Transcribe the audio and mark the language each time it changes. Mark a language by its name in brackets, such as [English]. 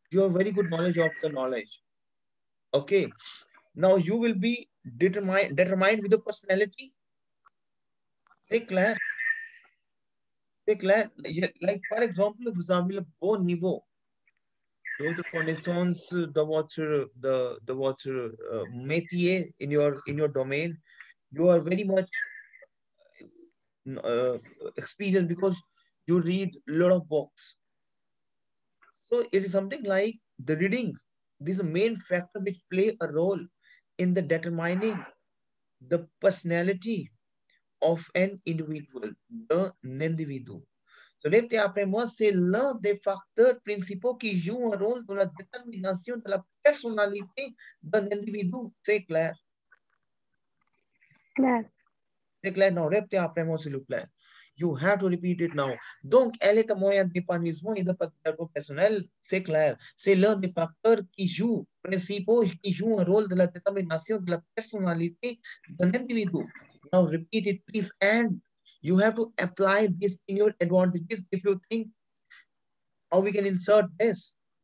[English] You have very good knowledge of the knowledge. Okay. Now you will be determined with the personality. [French] C'est clair. [English] Like, for example, [French] vous avez le bon niveau. [English] Donc, the connaissance, the métier in your domain, you are very much experienced because you read a lot of books. So it is something like the reading. This is a main factor which play a role in the determining the personality of an individual, un individu. [French] So, répétez après moi, c'est l'un des facteurs principaux qui joue un rôle dans la détermination de la personnalité d'un individu. C'est clair? Clair. C'est clair? Non, répétez après moi, s'il vous plaît. [English] You have to repeat it now. [French] Donc, elle est un moyen d'épanouissement et de performance personnelle. C'est clair? C'est l'un des facteurs qui joue un rôle dans la détermination de la personnalité d'un individu. [English] Now, repeat it, please. And you have to apply this in your advantages if you think how we can insert this.